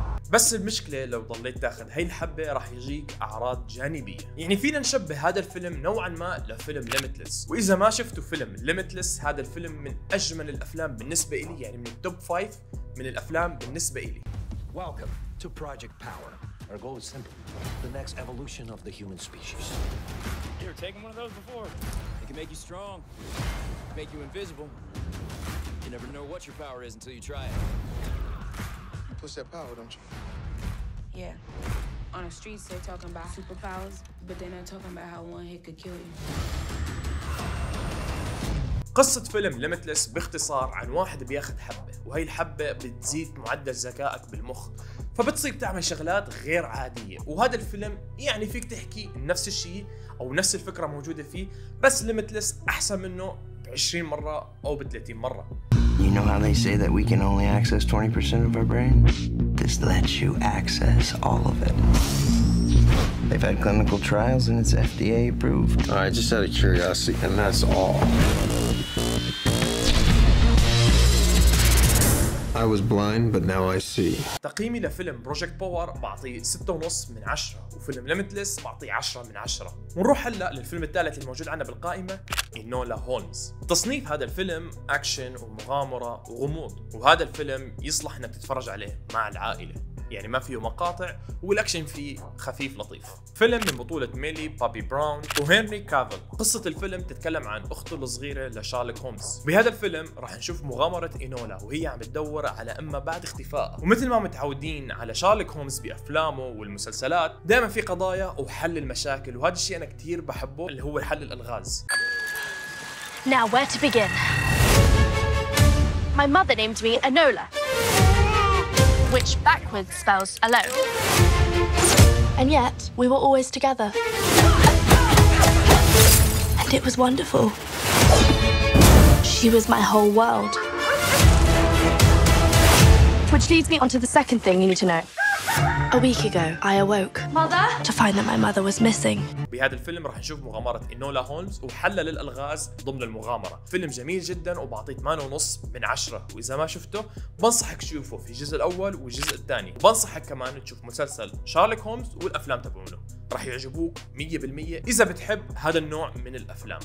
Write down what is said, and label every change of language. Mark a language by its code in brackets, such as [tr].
[ar] بس المشكلة لو ضليت تاخذ هاي الحبة راح يجيك أعراض جانبية، يعني فينا نشبه هذا الفيلم نوعا ما لفيلم ليميتلس. وإذا ما شفتوا فيلم ليميتلس، هذا الفيلم من أجمل الأفلام بالنسبة إلي، يعني من التوب 5 من الأفلام بالنسبة إلي. [en] Welcome to Project Power. Our goal is simple: the next evolution of the human species. You ever taken one of those before? It can make you strong, make you invisible. You never know what your power is until you try it. You push that power, don't you? Yeah. On the streets, they're talking about superpowers, but they're not talking about how one hit could kill you. [ar] قصة فيلم ليميتلس باختصار عن واحد بياخد حبة، وهي الحبة بتزيد معدل ذكائك بالمخ، فبتصير تعمل شغلات غير عادية. وهذا الفيلم يعني فيك تحكي نفس الشيء أو نفس الفكرة موجودة فيه، بس ليميتلس أحسن منه 20 مرة أو 30 مرة. [en] You know how they say that we can only access 20% of our brain? This lets you access all of it. They've had clinical trials and it's FDA approved. I just out of curiosity, and that's all. I was blind, but now I see. [ar] تقييمي لفيلم بروجكت باور بعطيه 6.5 من 10، وفيلم ليميتلس بعطيه 10 من 10. ونروح هلا للفيلم الثالث الموجود عندنا بالقائمة، إنولا هولمز. تصنيف هذا الفيلم أكشن ومغامرة وغموض، وهذا الفيلم يصلح إنك تتفرج عليه مع العائلة. يعني ما فيه مقاطع والأكشن فيه خفيف لطيف. فيلم من بطولة ميلي بابي براون وهنري كافل. قصة الفيلم تتكلم عن أخته الصغيرة لشارلوك هومز. بهذا الفيلم راح نشوف مغامرة إينولا وهي عم تدور على أمها بعد اختفائها. ومثل ما متعودين على شارلوك هومز بأفلامه والمسلسلات دائما في قضايا وحل المشاكل، وهذا الشيء أنا كتير بحبه اللي هو حل الألغاز. [en] Now where to begin? My mother named me Enola, which backwards spells alone. And yet, we were always together. And it was wonderful. She was my whole world. Which leads me onto the second thing you need to know. A week ago, I awoke to find that my mother was missing. [ar] بهذا الفيلم راح نشوف مغامرة إينولا هولمز وحلها للألغاز ضمن المغامرة. فيلم جميل جدا وبعطيه 8.5 من 10، وإذا ما شفته بنصحك تشوفه في الجزء الأول والجزء الثاني. بنصحك كمان تشوف مسلسل شارلوك هولمز والأفلام تبعونه، راح يعجبوك 100% إذا بتحب هذا النوع من الأفلام.